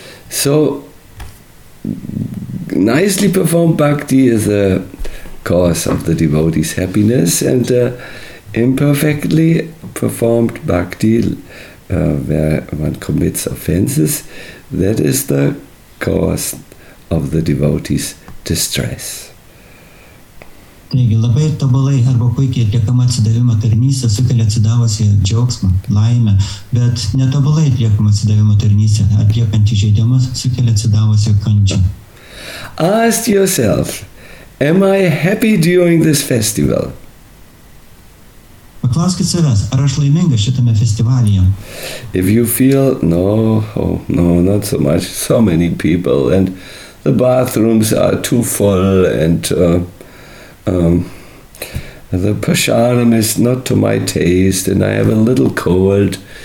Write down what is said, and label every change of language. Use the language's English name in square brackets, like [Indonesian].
[English] So, nicely performed bhakti is a cause of the devotee's happiness, and imperfectly performed bhakti, where one commits offenses, that is the cause of the devotee's distress. [Lithuanian] Taigi, labai tobulai arba puikiai atliekama atsidavimo tarnystė sukelia atsidavusį džiaugsmą, laimę, bet netobulai atliekama atsidavimo tarnystė, atliekant įžeidimus, sukelia atsidavusį kančią. [English] Ask yourself, am I happy during this festival? [Lithuanian] Paklauskit savęs, ar aš laimingas šitame festivalyje? [English] If you feel, no, oh, no, not so much, so many people, and the bathrooms are too full, and the prasadam is not to my taste, and I have a little cold.